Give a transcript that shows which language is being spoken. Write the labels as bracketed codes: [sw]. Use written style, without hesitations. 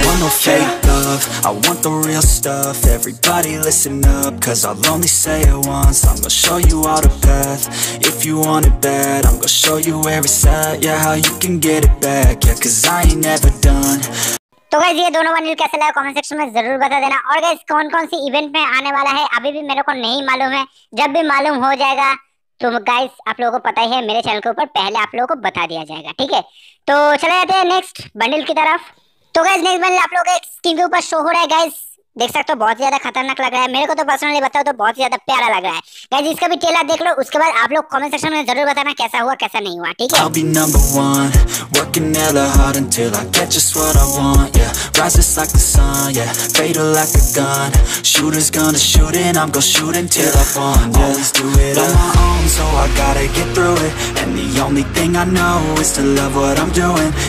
[en] I want the real stuff, everybody listen up, cause I'll only say it once. I'm gonna show you all the path, if you want it bad. I'm gonna show you where it's at, yeah, how you can get it back. Yeah, cause I ain't never done. [hi] तो guys, ये दोनों bundle कैसे लगा comment section में जरूर बता देना। और गाइस, कौन कौन सी इवेंट में आने वाला है अभी भी मेरे को नहीं मालूम है, जब भी मालूम हो जाएगा तो गाइस आप लोगों को पता ही है, मेरे चैनल के ऊपर पहले आप लोगों को बता दिया जाएगा, ठीक है। तो चले जाते हैं नेक्स्ट बंडल की तरफ। तो गाइस, नेक्स्ट बंडल आप लोगों के स्क्रीन के ऊपर शो हो रहा है, गाइस देख सकते हो बहुत ही ज्यादा खतरनाक लग रहा है, मेरे को तो पर्सनली बताओ तो बहुत ही ज्यादा प्यारा लग रहा है। गाइस, इसका भी ट्रेलर देख लो, उसके बाद आप लोग कमेंट सेक्शन में जरूर बताना कैसा हुआ कैसा नहीं हुआ, ठीक है। [en] I'll be number one, working hella hard until I get just what I want, yeah. Rises like the sun, yeah. Fatal like a gun. Shooters gonna shoot and I'm gonna shoot until I find, yeah. Always do it on my own, so I gotta get through it. And the only thing I know is to love what I'm doing.